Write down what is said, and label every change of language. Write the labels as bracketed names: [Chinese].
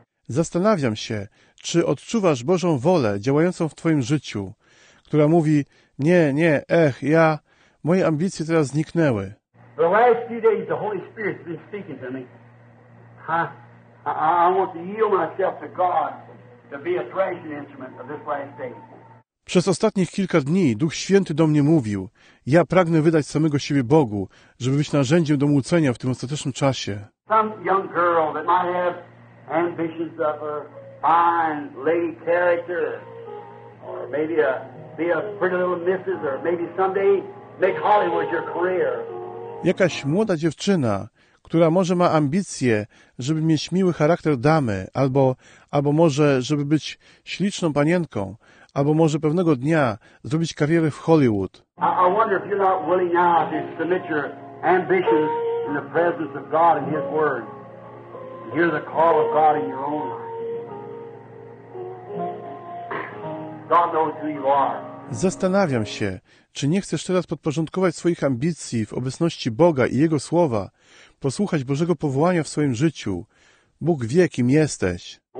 [Polish] Zastanawiam się, czy odczuwasz Bożą wolę działającą w Twoim życiu, która mówi, nie, nie, ja, moje ambicje teraz zniknęły. [English] The last few days, the Holy Spirit's been speaking to me. I want to yield myself to God to be a threshing instrument of this last day. [Polish] Przez ostatnich kilka dni Duch Święty do mnie mówił, ja pragnę wydać samego siebie Bogu, żeby być narzędziem do młócenia w tym ostatecznym czasie. [English] Some young girl that might have ambitions of a fine lady character, or maybe be a pretty little missus, or maybe someday make Hollywood your career. [Polish] Jakaś młoda dziewczyna, która może ma ambicje, żeby mieć miły charakter damy, albo może, żeby być śliczną panienką, albo może pewnego dnia zrobić karierę w Hollywood. [English] I wonder if you're not willing now to submit your ambitions in the presence of God and His Word. And hear the call of God in your own life. God knows who you are. [Polish] Zastanawiam się, czy nie chcesz teraz podporządkować swoich ambicji w obecności Boga i Jego Słowa, posłuchać Bożego powołania w swoim życiu. Bóg wie, kim jesteś.